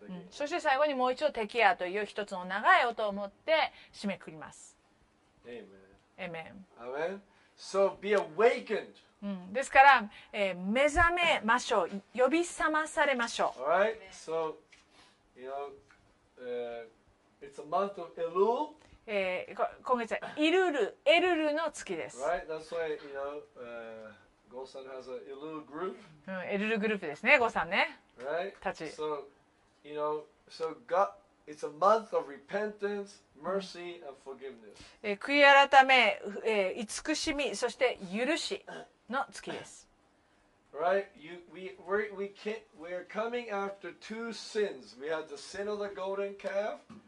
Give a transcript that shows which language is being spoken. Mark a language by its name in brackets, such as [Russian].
[Japanese] そして最後にもう一度テキアという一つの長い音を持って締めくくります。 [English] Amen. Amen. So be awakened. [Japanese] うん、ですから、目覚めましょう、呼び覚まされましょう。 [English] All right. So, you know, it's a month of Elul. [Japanese] 今月はイルル、エルルの月です。 [English] Right, that's why, you know, Go-san has a Elul group. [Japanese] うん、エルルグループですね、Go-san ね。 [English] Right. [Japanese] たち。 [English] So, you know, so God, it's a month of repentance, mercy, and forgiveness. [Japanese] 悔い改め、慈しみ、そして許しの月です。 [English] Right, we're coming after two sins. We have the sin of the golden calf.